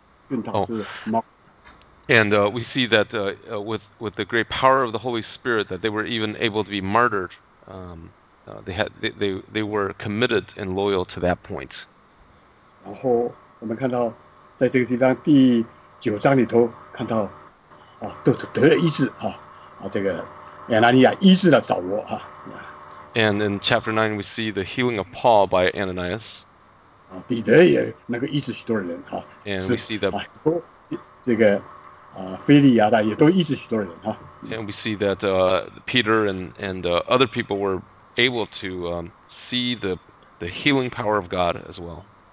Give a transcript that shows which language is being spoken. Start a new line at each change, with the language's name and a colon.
English: And we see that with the great power of the Holy Spirit, that they were even able to be martyred. They were committed and loyal to that point.
Chinese: 然后我们看到在这个地方第九章里头看到都是得医治，这个亚拿尼亚医治了扫罗。
English: And in chapter 9, we see the healing of Paul by Ananias. And we see that Peter and other people were able to see the healing power of God as well.